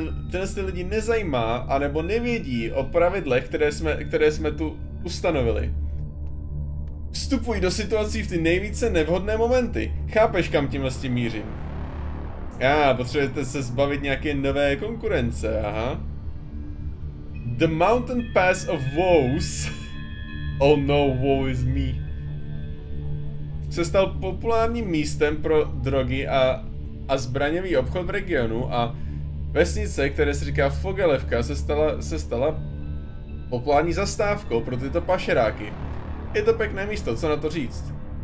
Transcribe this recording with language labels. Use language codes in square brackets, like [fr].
[cs] Tyhle lidi nezajímá, anebo nevědí o pravidlech, které jsme tu ustanovili. Vstupují do situací v ty nejvíce nevhodné momenty. Chápeš, kam tímhle s tím mířím? Potřebujete se zbavit nějaké nové konkurence, aha. [en] The Mountain Pass of Woes. Oh no, woe is me. [cs] Se stal populárním místem pro drogy a zbraňový obchod v regionu a vesnice, které se říká Fogelevka, se stala populární zastávkou pro tyto pašeráky. Je to pěkné místo, co na to říct.